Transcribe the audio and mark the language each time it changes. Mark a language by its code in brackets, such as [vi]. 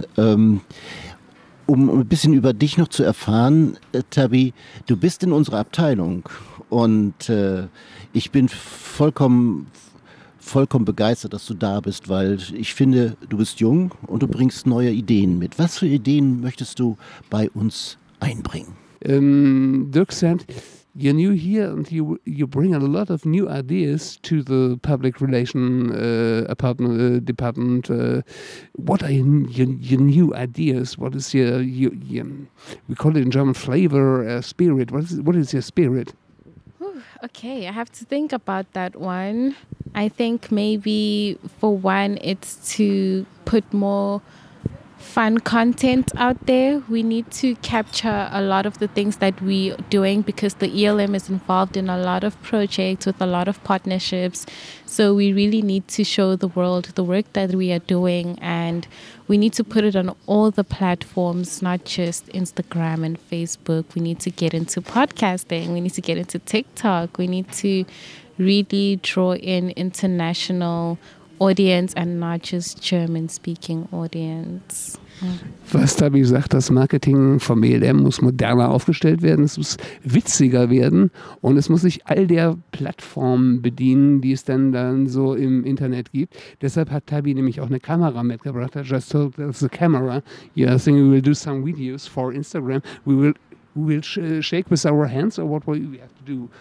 [de] Um ein bisschen über dich noch zu erfahren, Tabi, du bist in unserer Abteilung und ich bin vollkommen begeistert, dass du da bist, weil ich finde, du bist jung und du bringst neue Ideen mit. Was für Ideen möchtest du bei uns einbringen? [en] Dirk said, you're new here and you bring a lot of new ideas to the public relation department. What are your new ideas? What is your we call it in German flavor, spirit. What is your spirit? Ooh, okay, I have to think about that one. I think maybe for one it's to put more fun content out there. We need to capture a lot of the things that we're doing because the ELM is involved in a lot of projects with a lot of partnerships. So we really need to show the world the work that we are doing, and we need to put it on all the platforms, not just Instagram and Facebook. We need to get into podcasting. We need to get into TikTok. We need to really draw in international audience and not just German-speaking audience. [de] Was Tabi sagt, das Marketing vom ELM muss moderner aufgestellt werden, es muss witziger werden und es muss sich all der Plattformen bedienen, die es dann so im Internet gibt. Deshalb hat Tabi nämlich auch eine Kamera mitgebracht. [en] I just told us the camera. Yeah, I think we will do some videos for Instagram. We will shake with our hands or what will we have to do?